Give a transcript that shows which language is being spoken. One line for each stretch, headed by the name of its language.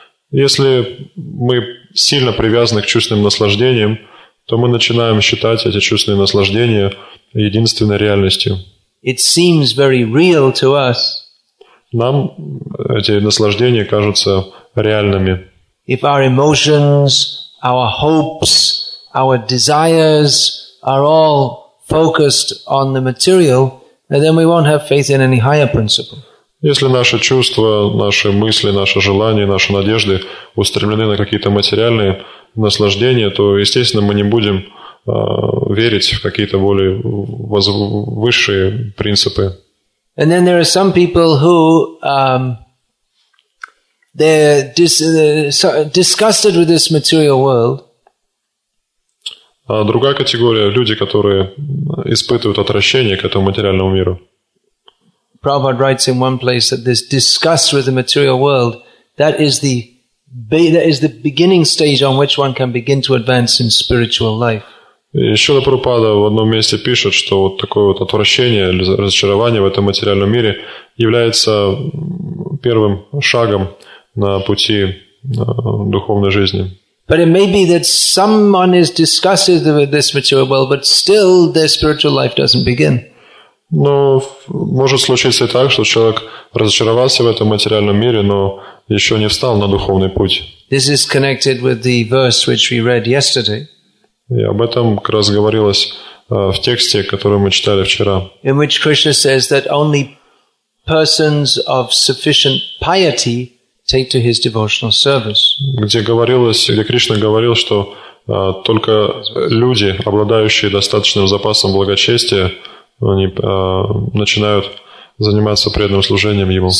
Russian: Если мы сильно привязаны к чувственным наслаждениям, то мы начинаем считать эти чувственные наслаждения единственной реальностью.
English: It seems very real to us.
Russian: Нам эти наслаждения кажутся реальными.
English: If our emotions, our hopes, our desires are all focused on the material, then we won't have faith in any higher principle.
Russian: Если наши чувства, наши мысли, наши желания, наши надежды устремлены на какие-то материальные наслаждения, то, естественно, мы не будем верить в какие-то более высшие принципы.
English: And then there are some people who they're disgusted with this material world.
Russian: А другая категория – люди, которые испытывают отвращение к этому материальному миру.
English: Prabhupada writes in one place that this disgust with the material world, that is the beginning stage on which one can begin to advance in spiritual life.
Russian: Шрила Прабхупада в одном месте пишет, что вот такое вот отвращение или разочарование в этом материальном мире является первым шагом на пути духовной жизни.
English: But it may be that someone is disgusted with this material world, but still their spiritual life doesn't begin.
Russian: Но может случиться и так, что человек разочаровался в этом материальном мире, но еще не встал на духовный путь.
English: This is connected with the verse which we read yesterday.
Russian: И об этом как раз говорилось в тексте, который мы читали вчера.
English: In which Krishna says that only persons of sufficient piety take to his devotional service.
Russian: Где Кришна говорил, что только люди, обладающие достаточным запасом благочестия, они начинают заниматься преданным служением ему.